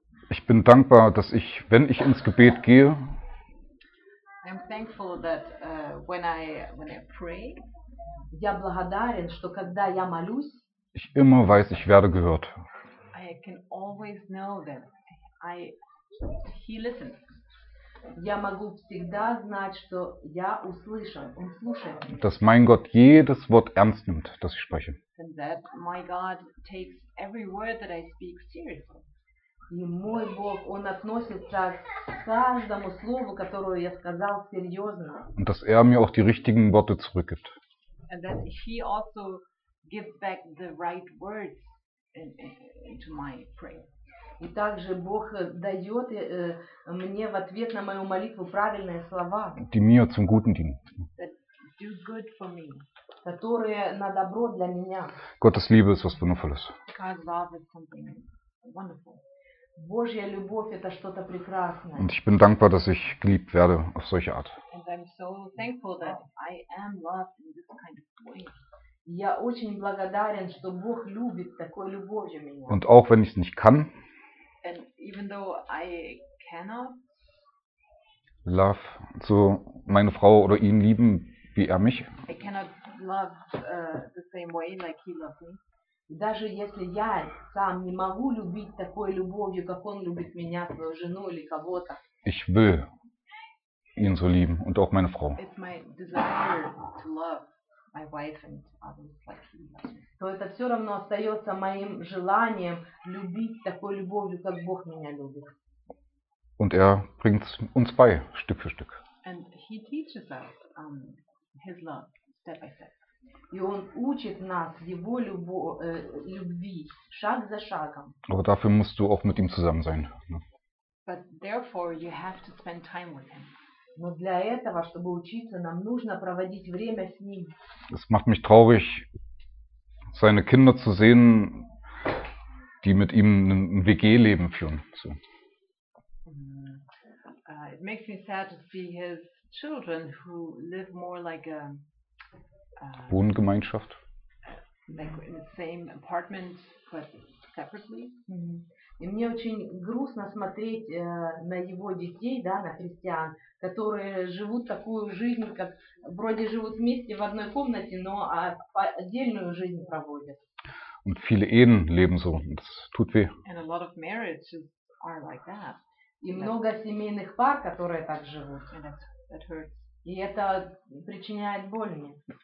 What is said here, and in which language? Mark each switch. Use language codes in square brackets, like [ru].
[de] Ich bin dankbar, dass ich, wenn ich ins Gebet gehe. [en] I'm thankful that when I pray. [ru] Я благодарен, что когда я молюсь. [de] Ich immer weiß, ich werde gehört. [en] I can always know that he listens. [ru] Я могу всегда знать, что я услышан, он слушает. [de] Dass mein Gott jedes Wort ernst nimmt, das ich spreche. [en] And that my God takes every word that I speak seriously. [ru] И мой Бог, он относится к каждому слову, которое я сказал, серьезно. [de] Und dass er mir auch die richtigen Worte zurückgibt. [en] And that he also give back the right words into my prayer. [ru] И также Бог дает мне в ответ на мою молитву правильные слова. [de] Die mir zum Guten dienen. [en] That do good for me. [ru] Которые на добро для меня. [de] Gottes Liebe ist was Wundervolles. [en] God's love is something wonderful. [ru] Божья любовь это что-то прекрасное. [de] Und ich bin dankbar, dass ich geliebt werde auf solche Art. [en] And I'm so thankful that I am loved in this kind of way. [ru] Я очень благодарен, что Бог любит такой любовью меня. [de] Und auch wenn ich es nicht kann. [en] And even though I cannot [de] love so meine Frau oder ihn lieben wie er mich. [en] I cannot love the same way like he loves me. [ru] Даже если я сам не могу любить такой любовью, как он любит меня, свою жену или кого-то. [de] Ich will ihn so lieben und auch meine Frau. [en] It's my desire to love my wife and others like he loves me. [ru] То это все равно остается моим желанием любить такой любовью, как Бог меня любит. [de] Und er bringt uns bei, Stück für Stück. [en] And he teaches us his love, step by step. [ru] И он учит нас его любви, шаг за шагом. [de] Aber dafür musst du auch mit ihm zusammen sein. [en] But therefore you have to spend time with him. [ru] Но для этого, чтобы учиться, нам нужно проводить время с ним. [de] Es macht mich traurig, seine Kinder zu sehen, die mit ihm ein WG-Leben führen. [en] So. It makes me sad to see his children who live more like a [de] Wohngemeinschaft. [en] Like in the same apartment, but separately. [ru] Mm-hmm. И мне очень грустно смотреть на его детей, да, на христиан, которые живут такую жизнь, как вроде живут вместе в одной комнате, но отдельную жизнь проводят. [de] Und viele Ehen leben so. Das tut weh. [en] And a lot of marriages are like that. [ru] И много семейных пар, которые так живут. [en] And that hurts. [ru] И это причиняет боль мне.